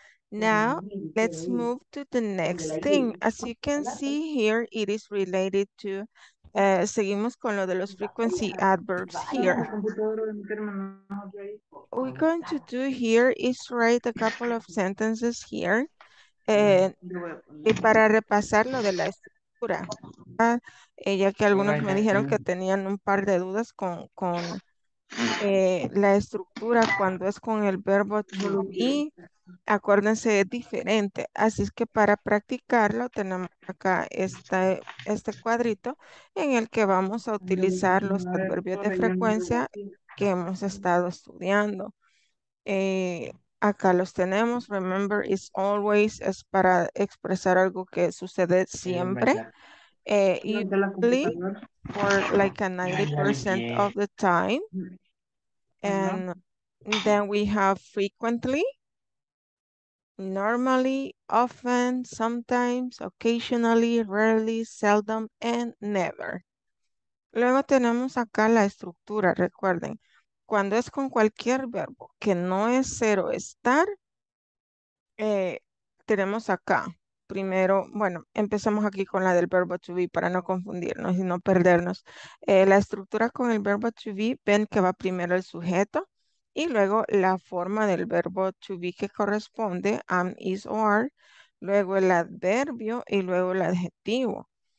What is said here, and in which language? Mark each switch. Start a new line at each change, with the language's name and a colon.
English: Now, let's move to the next thing. As you can see here, it is related to,
Spanish: seguimos con lo de los
English: frequency adverbs here. What we're going to do here is write a couple of sentences here.
Spanish: Y para repasar lo de la estructura, ya que algunos me dijeron que tenían un par de dudas con la estructura cuando es con el verbo to be. Acuérdense, es diferente. Así es que para practicarlo tenemos acá este cuadrito en el que vamos a utilizar los adverbios de frecuencia que hemos estado estudiando. Acá los tenemos.
English: Remember is always,
Spanish: es para expresar algo que sucede siempre.
English: Usually for like a 90% of the time. And then we have frequently, normally, often, sometimes, occasionally, rarely, seldom, and never.
Spanish: Luego tenemos acá la estructura, recuerden. Cuando es con cualquier verbo que no es ser o estar, tenemos acá, primero, bueno, empezamos aquí con la del verbo to be para no confundirnos y no perdernos. La estructura con el verbo to be, ven que va primero el sujeto y luego la forma del verbo to be que corresponde, am, is, or are, luego el adverbio y luego el adjetivo.